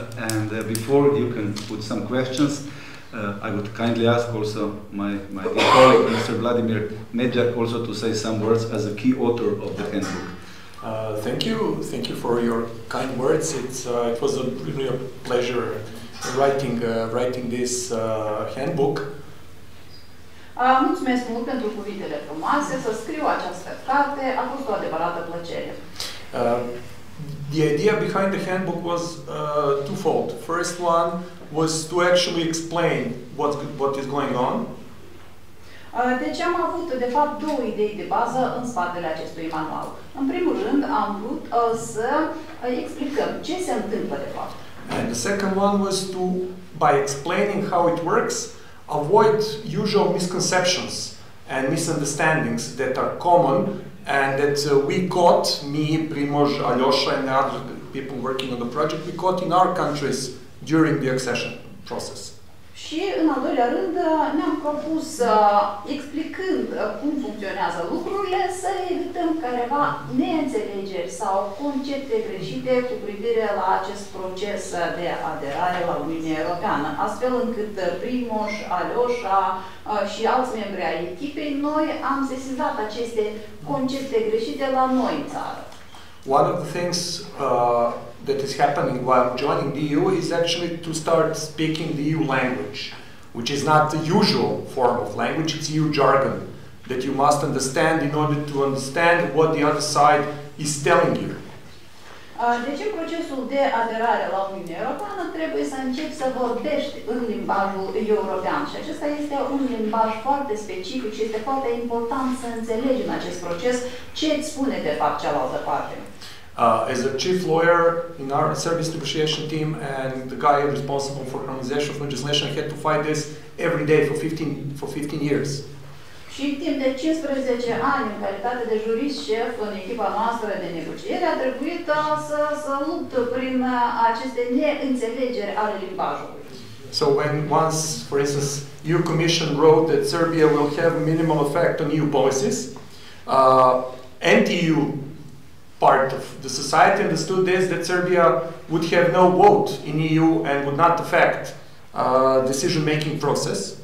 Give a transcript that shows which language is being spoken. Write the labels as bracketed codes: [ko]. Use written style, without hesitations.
[en] And before you can put some questions, I would kindly ask also my colleague, Mr. Vladimir Medjak, also to say some words as a key author of the handbook. Thank you for your kind words. It was really a pleasure writing this handbook. [ro] Mulțumesc mult pentru cuvintele frumoase. Să scriu această carte a fost o adevărată plăcere. [en] The idea behind the handbook was twofold. First one was to actually explain what is going on. [ro] Deci am avut de fapt două idei de bază în spatele acestui manual. În primul rând, am vrut să explicăm ce se întâmplă de fapt. [en] And the second one was to, by explaining how it works, avoid usual misconceptions and misunderstandings that are common and that we got, me, Primoz, Alyosha and other people working on the project, we got in our countries during the accession process. [ro] Și în al doilea rând ne-am propus, explicând cum funcționează lucrurile, să evităm careva neînțelegeri sau concepte greșite cu privire la acest proces de aderare la Uniunea Europeană, astfel încât Primoș, Alyosha și alți membri ai echipei, noi am sesizat aceste concepte greșite la noi în țară. [en] One of the things that is happening while joining the EU is actually to start speaking the EU language, which is not the usual form of language, it's EU jargon that you must understand in order to understand what the other side is telling you. [ro] Deci în procesul de aderare la Uniunea Europeană trebuie să începi să vorbești în limbajul european. Și acesta este un limbaj foarte specific și este foarte important să înțelegi în acest proces ce îți spune de fapt cealaltă parte. [en] As a chief lawyer in our service negotiation team and the guy responsible for harmonization of legislation, I had to fight this every day for 15 years. [ro] Și timp de 15 ani, în calitate de jurist șef în echipa noastră de negociere, a trebuit să lupt prin aceste neînțelegeri ale limbajului. [en] So when once, for instance, EU Commission wrote that Serbia will have minimal effect on EU policies, anti-EU part of the society understood this, that Serbia would have no vote in EU and would not affect decision-making process.